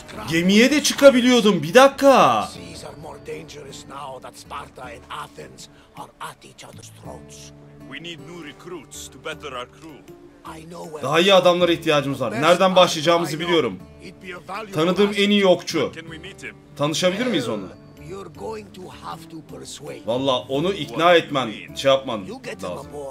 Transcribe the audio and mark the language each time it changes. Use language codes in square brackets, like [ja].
[tr] Gemiye de çıkabiliyordum, bir dakika! [en] Dangerous now that Sparta and Athens are at each other's throats. We need new recruits to better our crew. I know where. [tr] Daha iyi adamlara ihtiyacımız var. Nereden başlayacağımızı biliyorum. Tanıdığım en iyi okçu. Tanışabilir miyiz onu? [en] You're going to have to persuade. [tr] Vallahi onu ikna etmen, şey yapman lazım.